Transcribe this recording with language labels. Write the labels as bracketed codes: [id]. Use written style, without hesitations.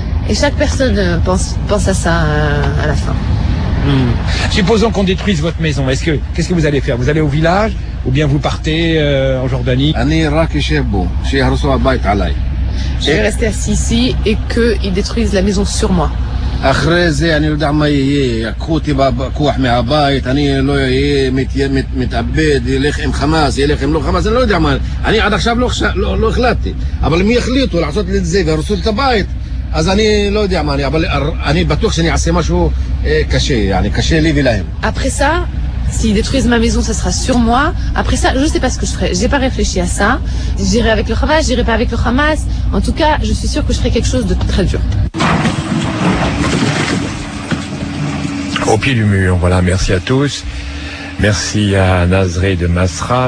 [fr] Et chaque personne pense à ça à la fin. Supposons qu'on détruise votre maison, qu'est-ce que vous allez faire ? Vous allez au village ou bien vous partez en Jordanie ? Je vais rester assis ici et qu'ils détruisent la maison sur moi. [he] אחרי זה אני לא יודע מה יהיה, יקחו אותי בכוח מהבית, אני לא יהיה מתאבד, ילך עם חמאס, ילך עם לא חמאס, אני לא יודע מה, אני עד עכשיו לא החלטתי, אבל מי החליטו לעשות את זה והרסו את הבית, אז אני לא יודע מה, אבל אני בטוח שאני אעשה משהו קשה, אני קשה לי ולהם. אחרי זה? [fr] S'ils détruisent ma maison, ça sera sur moi. Après ça, je ne sais pas ce que je ferai. Je n'ai pas réfléchi à ça. J'irai avec le Hamas, je n'irai pas avec le Hamas. En tout cas, je suis sûre que je ferai quelque chose de très dur. Au pied du mur, voilà, merci à tous. Merci à Nazré de Masra.